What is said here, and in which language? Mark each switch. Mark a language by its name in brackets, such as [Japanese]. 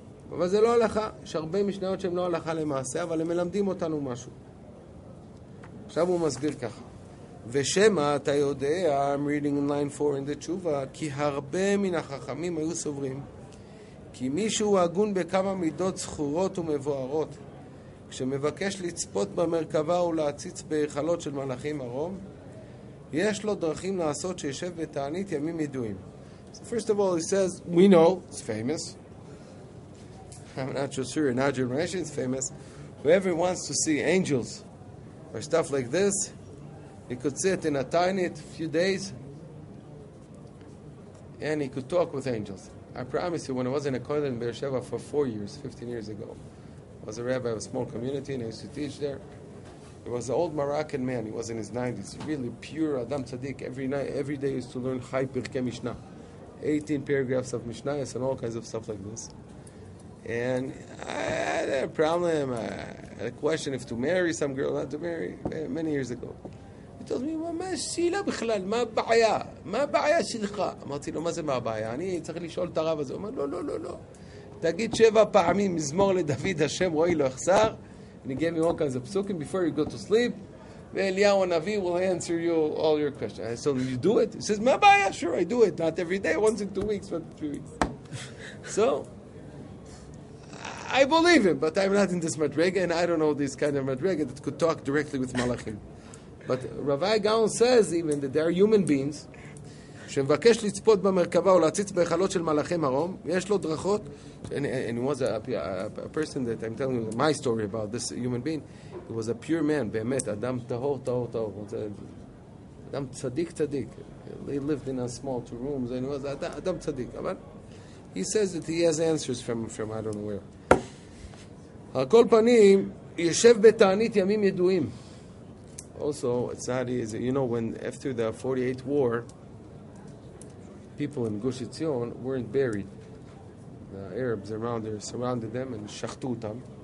[Hebrew] אבל זה לא הלכה, יש הרבה משניות שהן לא הלכה למעשה, אבל הם מלמדים אותנו משהו. עכשיו הוא מסביר ככה. ושמה אתה יודע, [English] I'm reading in line 4 in the [Hebrew] תשובה, כי הרבה מן החכמים היו סוברים, כי מישהו אגון בכמה מידות זכורות ומבוארות, כשמבקש לצפות במרכבה ולהציץ בהיכלות של מלאכים הרום, יש לו דרכים לעשות שישב בתענית ימים ידועים. [English] So first of all, he says, we know, it's famous. I'm not so sure, in our generation it's famous. Whoever wants to see angels or stuff like this, he could sit in a tiny few days and he could talk with angels. I promise you, when I was in a kollel in Be'er Sheva for 4 years, 15 years ago, I was a rabbi of a small community and I used to teach there. There was an old Moroccan man, he was in his 90s, really pure Adam Tzaddik. Every night, every day he used to learn Chai Pirkei Mishnah, 18 paragraphs of Mishnah and all kinds of stuff like this. And I had a problem, I had a question if to marry some girl, not to marry, many years ago. [Hebrew] He told me, מה השאלה בכלל? מה הבעיה? מה הבעיה שלך? אמרתי לו, מה זה מה הבעיה? אני צריך לשאול את הרב הזה. הוא אמר, לא, לא, לא, לא. תגיד 7 פעמים, מזמור לדוד השם, רואי לו אחסר. [English] And he gave me all kinds of psukim before you go to sleep. ואליהו הנביא will answer you all your questions. I said, you do it? He says, [Hebrew] מה הבעיה? [English] Sure, I do it. Not every day, once in 2 weeks, but 3 weeks. So, I believe him, but I'm not in this madrega, and I don't know this kind of madrega that could talk directly with malachim. But Ravai Gaon says even that there are human beings [Hebrew] שמבקש לצפות במרכבה או להציץ בהיכלות של מלאכי מרום, יש לו דרכות. [English] And he was a person that I'm telling you my story about this human being. He was a pure man, [Hebrew] באמת, אדם טהור, טהור, טהור. אדם צדיק, צדיק. [English] He lived in a small 2 rooms, and he was [Hebrew] אדם צדיק. אבל [English] he says that he has answers from I don't know where. [Hebrew] על כל פנים, יושב בתענית ימים ידועים. [English] Also, it's not easy. You know, when after the 48 war, people in Gush Etzion weren't buried. The Arabs around there surrounded them and shachtu them.